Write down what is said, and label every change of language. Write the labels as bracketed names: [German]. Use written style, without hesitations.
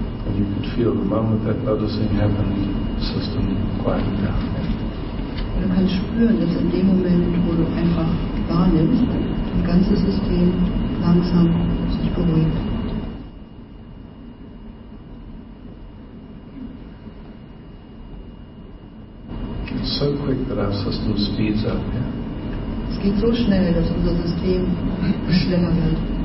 [English] And you could feel the moment that noticing happened, the system quieted down. [German] Du kannst spüren, dass in dem Moment, wo du einfach wahrnimmst, dein ganzes System langsam sich beruhigt. [English] It's so quick that our system speeds up. [German] Es geht so schnell, dass unser System schneller wird.